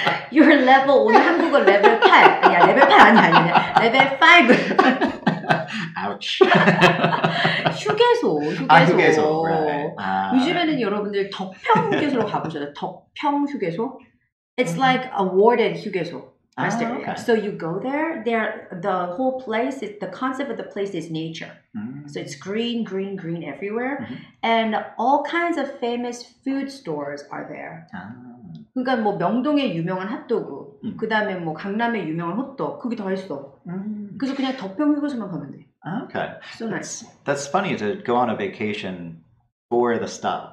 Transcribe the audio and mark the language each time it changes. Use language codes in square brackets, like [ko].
[en] Your level [ko] 오늘 한국어 레벨 8. 아니야 레벨 8 아니야 아니야 레벨 5. [en] Ouch. [ko] 휴게소, 휴게소. 아, 휴게소. [en] Right. [ko] 요즘에는 여러분들 덕평 휴게소로 가보셨나요? [en] 덕평 휴게소? It's mm-hmm. like awarded 휴게소. Rest area. Okay. So you go there, there the whole place, it, the concept of the place is nature. Mm-hmm. So it's green, green, green everywhere. Mm-hmm. And all kinds of famous food stores are there. Ah. [ko] 그러니까 뭐 명동에 유명한 핫도그, mm-hmm. 그 다음에 뭐 강남에 유명한 호떡, 그게 다 있어. [en] Mm-hmm. [ko] 그래서 그냥 덕평 휴게소만 가면 돼. [en] Okay. So nice. That's funny to go on a vacation for the stop.